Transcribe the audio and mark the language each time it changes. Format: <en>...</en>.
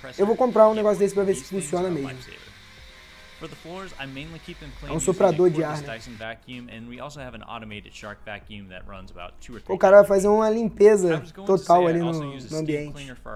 <pt>Eu vou comprar um negócio desse pra ver se funciona mesmo.</pt> <en>For the floors, I mainly keep them clean.</en> <pt>É um soprador de ar,</pt> <en>Dyson vacuum, and we also have an automated shark vacuum that runs about 2 or 3.</en> <pt>O cara vai fazer uma limpeza total ali no ambiente.</pt>